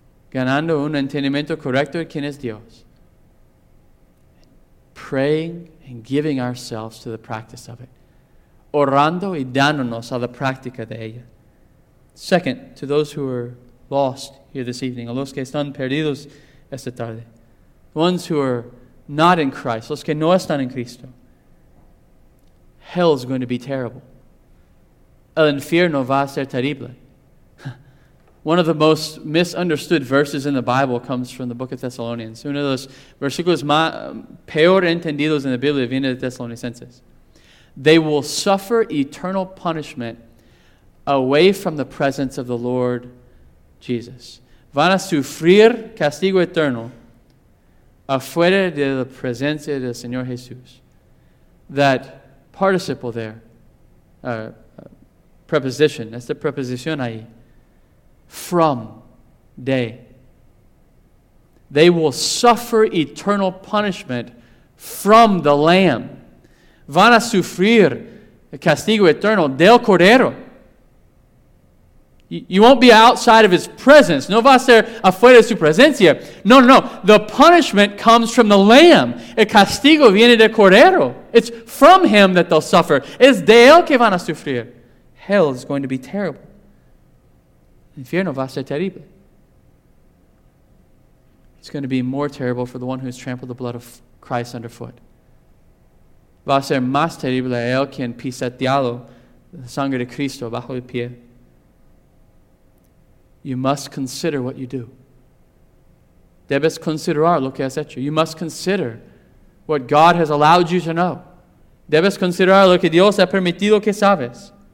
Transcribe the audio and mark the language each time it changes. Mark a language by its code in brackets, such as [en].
[es] Ganando un entendimiento correcto de quién es Dios. [en] Praying and giving ourselves to the practice of it. [es] Orando y dándonos a la práctica de ella. [en] Second, to those who are lost here this evening, [es] a los que están perdidos esta tarde, [en] ones who are not in Christ, [es] los que no están en Cristo, [en] hell is going to be terrible. [es] El infierno va a ser terrible. [en] One of the most misunderstood verses in the Bible comes from the book of Thessalonians. [es] Uno de los versículos más peor entendidos en la Biblia viene de Thessalonicenses. [en] They will suffer eternal punishment away from the presence of the Lord Jesus. [es] Van a sufrir castigo eterno afuera de la presencia del Señor Jesús. [en] That participle there, preposition. That's the preposición ahí. From. De. They will suffer eternal punishment from the Lamb. [es] Van a sufrir el castigo eterno del Cordero. [en] You won't be outside of His presence. [es] No va a ser afuera de su presencia. [en] No. The punishment comes from the Lamb. [es] El castigo viene del Cordero. [en] It's from Him that they'll suffer. [es] Es de Él que van a sufrir. [en] Hell is going to be terrible. [es] Infierno va a ser terrible. [en] It's going to be more terrible for the one who has trampled the blood of Christ underfoot. [es] Va a ser más terrible a él quien pisoteado la sangre de Cristo bajo el pie. [en] You must consider what you do. [es] Debes considerar lo que has hecho. [en] You must consider what God has allowed you to know. [es] Debes considerar lo que Dios ha permitido que sabes.